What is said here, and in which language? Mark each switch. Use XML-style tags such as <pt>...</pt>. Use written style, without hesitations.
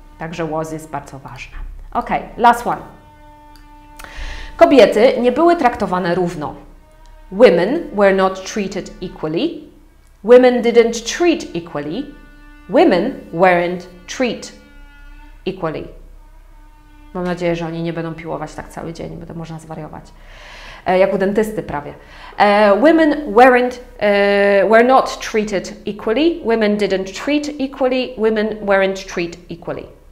<pl>Także was jest bardzo ważne.</pl> <en>Ok, last one.</en> <pl>Kobiety nie były traktowane równo.</pl> <en>Women were not treated equally. Women didn't treat equally. Women weren't treat equally.</en> <pl>Mam nadzieję, że oni nie będą piłować tak cały dzień, bo to można zwariować. Jak u dentysty prawie.</pl> <en>Women weren't, were not treated equally. Women didn't treat equally. Women weren't treat equally.</en>